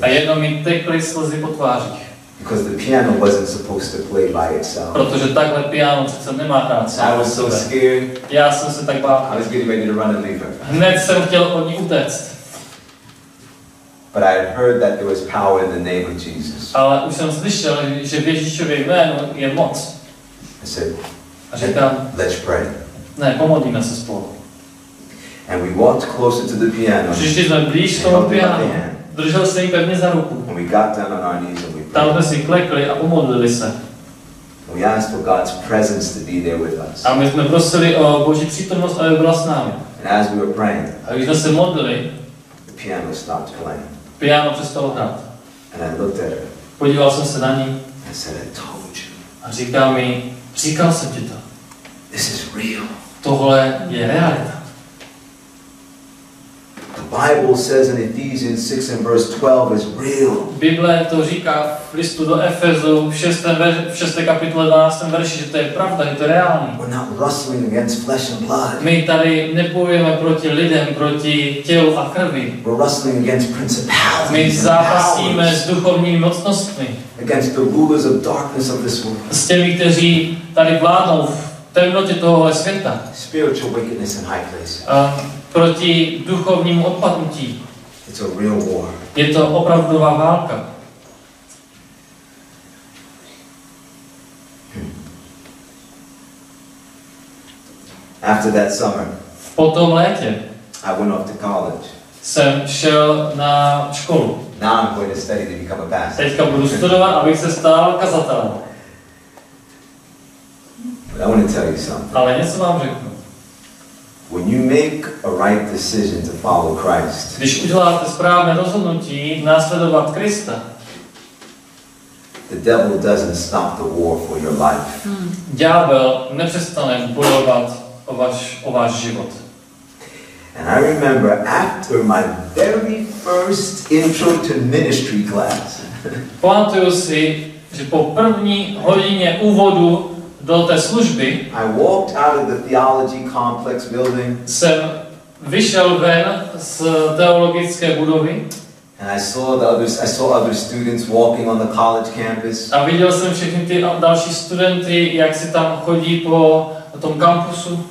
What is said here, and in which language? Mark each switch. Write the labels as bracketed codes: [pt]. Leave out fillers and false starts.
[cs] A jednou mi tekly slzy po tváři. [en] Because the piano wasn't supposed to play by itself. [cs] Protože takhle piano přece nemá hrát sám. [en] I was so scared. [cs] Já jsem se tak bál. [en] I was getting ready to run and leave her. [cs] Hned jsem chtěl od ní utéct. [en] But I had heard that there was power in the name of Jesus. [cs] Ale už jsem slyšel, že v Ježíšově jménu je moc. [en] I said, [cs] a říkám, [en] let's pray. [cs] Ne, pomodlíme se spolu. [en] And we walked closer to the piano. [cs] Přišli jsme blíž k tomu piano. Držel jsem ji pevně za ruku. [en] And we got down on our knees. [cs] Tam jsme si klekli a pomodlili se. [en] We asked for God's presence to be there with us. [cs] A my jsme prosili o Boží přítomnost, aby byla s námi. [en] And as we were praying, [cs] a když jsme se modlili, [en] the piano stopped playing. [cs] Piano přestalo hrát. [en] And I looked at her. [cs] Podíval jsem se na ní. [en] I said, I told you. [cs] A říkal mi, říkal jsem ti to. [en] This is real. [cs] Tohle je realita. [en] Bible says in Ephesians 6 and verse 12 is real. [cs] Bible to říká v listu do Efezu v 6. kapitole 12. verši, že to je pravda, je to reálný. [en] We're not wrestling against flesh and blood. [cs] My tady nebojujeme proti lidem, proti tělu a krvi. [en] We're wrestling against principalities. [cs] My zápasíme s duchovními mocnostmi. [en] Against the rulers of darkness of this world. [cs] S těmi, kteří tady vládnou v temnotě tohohle světa. [en] Spiritual wickedness in high places. [cs] Proti duchovnímu odpadnutí. [en] It's a real war. [cs] Je to opravdová válka. [en] After that summer, [cs] po tom létě [en] I went off to college. [cs] Jsem šel na školu. [en] Now I'm going to study to become a pastor. [cs] Teďka budu studovat, abych se stal kazatelem. [en] But I want to tell you something. [cs] Ale něco vám řeknu. [en] When you make a right decision to follow Christ. [cs] Když uděláte správné rozhodnutí následovat Krista. [en] The devil doesn't stop the war for your life. [cs] Ďábel nepřestane bojovat o váš život. [en] And I remember after my very first intro to ministry class. [cs] Pamatuju si, že po první hodině úvodu do té služby [en] I walked out of the theology complex building. [cs] Jsem vyšel ven z teologické budovy. [en] And I saw other students walking on the college campus. [cs] A viděl jsem všechny ty další studenty, jak si tam chodí po tom kampusu.